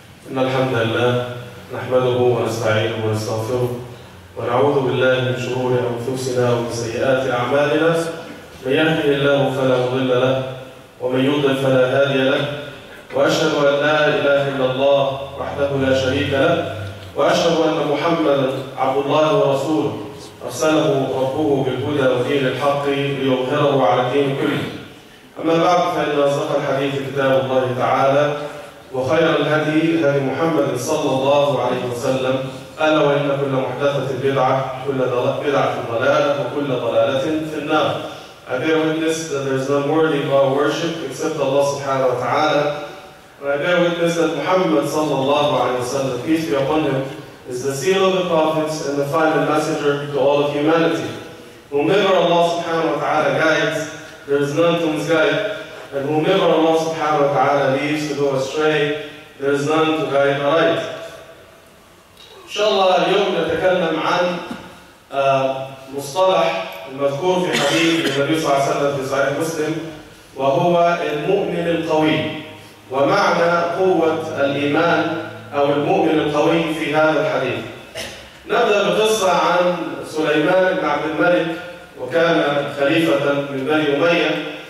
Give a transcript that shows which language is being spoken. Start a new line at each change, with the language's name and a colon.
Arabic: إن الحمد لله نحمده ونستعينه ونستغفره ونعوذ بالله من شرور أنفسنا ومن سيئات أعمالنا، من يهده الله فلا مضل له ومن يضلل فلا هادي له، وأشهد أن لا إله إلا الله وحده لا شريك له، وأشهد أن محمدا عبد الله ورسوله أرسله ربه بالهدى ودين الحق ليظهره على الدين كله. أما بعد، فإن أصدق الحديث كتاب الله تعالى وخير الهدي هدي محمد صلى الله عليه وسلم، ألا وإن كل محدثة بدعة، كل بدعة ضلالة، وكل ضلالة في النار.
English: I bear witness that there is none worthy of our worship except Allah subhanahu wa ta'ala. And I bear witness that Muhammad
Arabic: صلى الله عليه وسلم,
English: peace be upon him, is the seal of the prophets and the final messenger to all of humanity. Whomever Allah subhanahu wa ta'ala guides, there is none to misguide. And whomever Allah subhanahu wa ta'ala leaves to go astray, there is none to guide aright. InshaAllah,
Arabic: اليوم نتكلم عن مصطلح المذكور في حديث النبي صلى الله عليه وسلم في صحيح مسلم، وهو المؤمن القوي. ومعنى قوة الإيمان أو المؤمن القوي في هذا الحديث، نبدأ بقصة عن سليمان بن عبد الملك، وكان خليفة من بني أمية.